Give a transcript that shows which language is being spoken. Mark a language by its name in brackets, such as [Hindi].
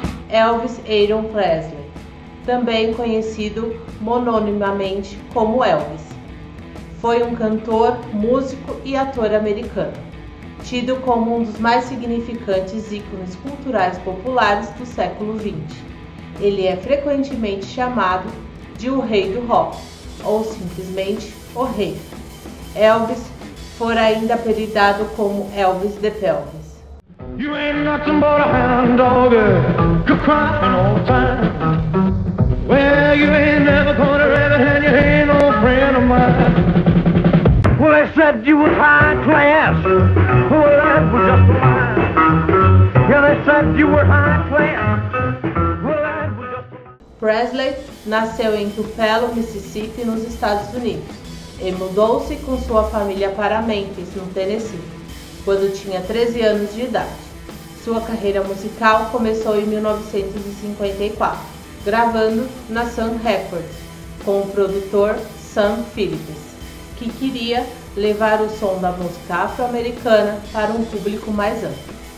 [Portuguese] Elvis Aaron Presley, também conhecido mononimamente como Elvis, foi um cantor, músico e ator americano, tido como um dos mais significantes ícones culturais populares do século XX. Ele é frequentemente chamado de o Rei do Rock, ou simplesmente o Rei. Elvis foi ainda apelidado como Elvis the Pelvis. [English] You ain't nothing but a hound dog, you're crying all the time. Well, you ain't never gonna rev it and you ain't no friend of mine. Well, they said you was high class. Well, that was just a lie. Yeah, they said you were high class. [Portuguese] Presley nasceu em Tupelo, Mississippi, nos Estados Unidos, e mudou-se com sua família para Memphis, no Tennessee, quando tinha 13 anos de idade. Sua carreira musical começou em 1954, gravando na Sun Records, com o produtor Sam Phillips, que queria levar o som da música afro-americana para um público mais amplo.